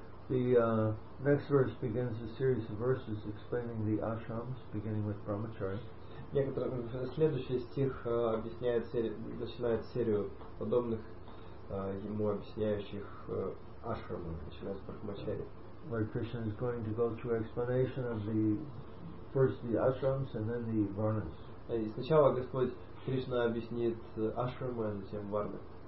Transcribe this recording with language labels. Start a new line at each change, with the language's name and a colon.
English: The next verse begins a series of verses explaining the ashrams, beginning with brahmachari.
Russian: Следующий стих начинает серию подобных ему объясняющих ашрамы, начиная с брахмачари.
English: Lord Krishna is going to go through explanation of the first the ashrams and then the varnas.
Russian: И сначала Господь Кришна объяснит ашрамы, а затем варны.